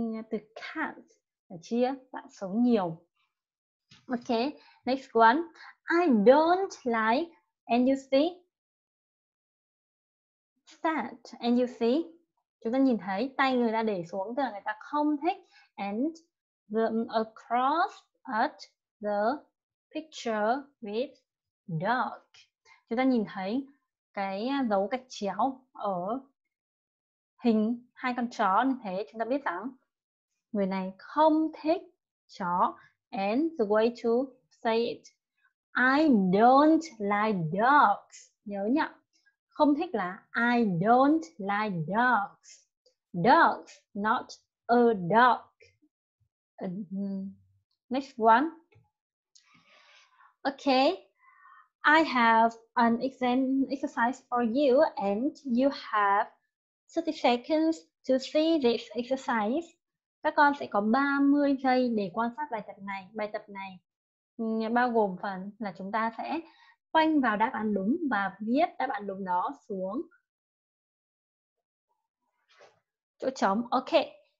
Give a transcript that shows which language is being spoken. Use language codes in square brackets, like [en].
[vi] Từ cat chia tạo số nhiều. [en] Okay, next one. I don't like, and you see that, and you see, [vi] chúng ta nhìn thấy tay người ta để xuống, tức là người ta không thích. [en] And the across at the picture with dog. [vi] Chúng ta nhìn thấy cái dấu gạch chéo ở hình hai con chó, như thế chúng ta biết rằng người này không thích chó. [en] And the way to say it, I don't like dogs. [vi] Nhớ nhá, không thích là [en] I don't like dogs. Dogs, not a dog. Next one. Okay, I have an exercise for you, and you have 30 seconds to see this exercise. [vi] Các con sẽ có 30 giây để quan sát bài tập này. Bài tập này bao gồm phần là chúng ta sẽ quanh vào đáp án đúng và viết đáp án đúng đó xuống chỗ trống. [en] Okay.